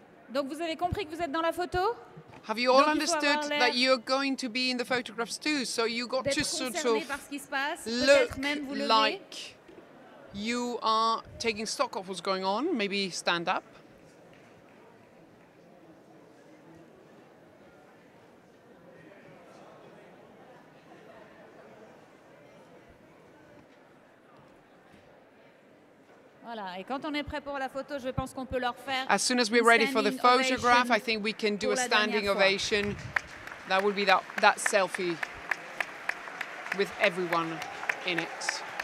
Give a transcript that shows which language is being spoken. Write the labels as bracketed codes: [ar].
[fr] Donc vous avez compris que vous êtes dans la photo? [en] Have you all understood that you're going to be in the photographs too? So you got to sort of look like you are taking stock of what's going on. Maybe stand up. [fr] Voilà. Et quand on est prêt pour la photo, je pense qu'on peut leur faire. [en] As soon as we're ready for the photograph, I think we can do a standing ovation. That would be that selfie with everyone in it.